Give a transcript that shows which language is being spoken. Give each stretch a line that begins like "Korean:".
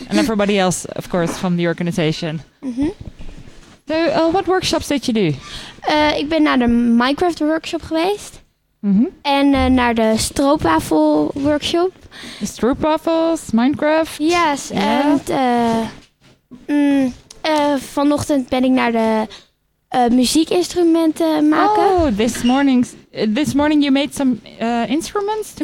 English: And everybody else, of course, from the organization. Mm-hmm. So what workshops did you do?
Dutch: Ik ben naar de Minecraft workshop geweest. Mm-hmm. En naar de stroopwafel workshop. De stroopwafels, Minecraft.
English: Yes, yeah.
Dutch: En vanochtend ben ik naar de muziekinstrumenten maken.
English: Oh, this morning you made some instruments to